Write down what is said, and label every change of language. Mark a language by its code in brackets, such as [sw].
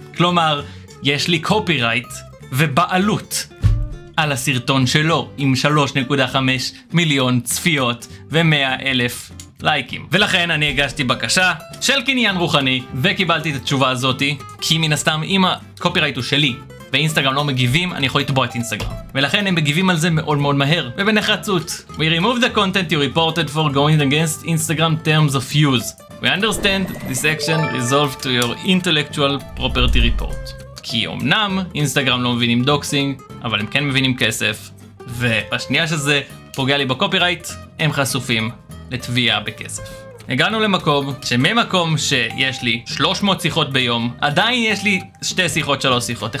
[he] כלומר, יש לי קופירייט ובעלות על הסרטון שלו, עם 3.5 מיליון צפיות ו-100 אלף לייקים. ולכן אני הגשתי בקשה של קניין רוחני, וקיבלתי את התשובה הזאת, כי מן הסתם, אם הקופירייט הוא שלי, ואינסטגרם לא מגיבים, אני יכול לתבוע את אינסטגרם. ולכן הם מגיבים על זה מאוד מאוד מהר, ובנחרצות. [en] We remove the content you reported for going against Instagram terms of use. We understand this action resolved to your intellectual property report. [he] כי אמנם אינסטגרם לא מבינים דוקסינג, אבל הם כן מבינים כסף, ובשנייה שזה פוגע לי בקופירייט, הם חשופים לתביעה בכסף. הגענו למקום שממקום שיש לי 300 שיחות ביום, עדיין יש לי שתי שיחות, שלוש שיחות.